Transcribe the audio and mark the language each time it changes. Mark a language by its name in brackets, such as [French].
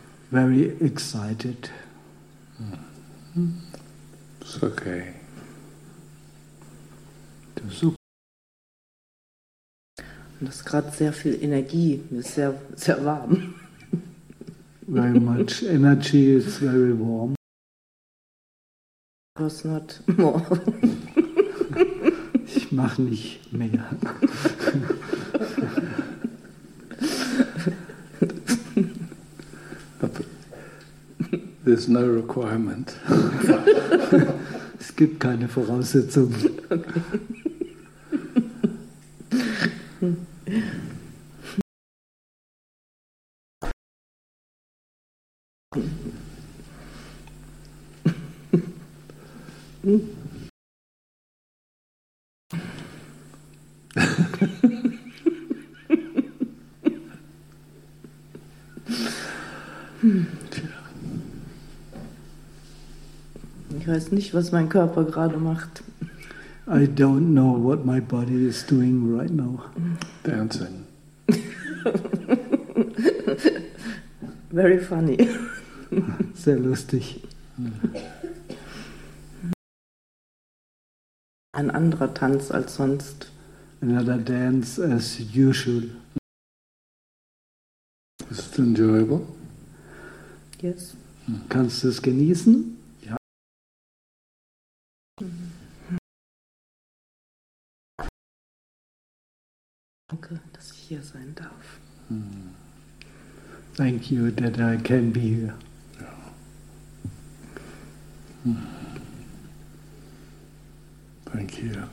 [English] Very excited. It's okay. [German] Das ist super. Das ist gerade sehr viel Energie. Mir ist sehr, sehr warm. [English] Very much energy. It's very warm. course not more. [German] Ich mache nicht mehr. [English] There's no requirement. [German] Es gibt keine Voraussetzung. Ich weiß nicht, was mein Körper gerade macht. [English] I don't know what my body is doing right now. Dancing. Very funny. [German] Sehr lustig. Ein anderer Tanz als sonst. [English] Another dance as usual. Is it enjoyable? Yes. [German] Kannst du es genießen? Ja. Danke, dass ich hier sein darf. [English] Thank you that I can be here. Thank you.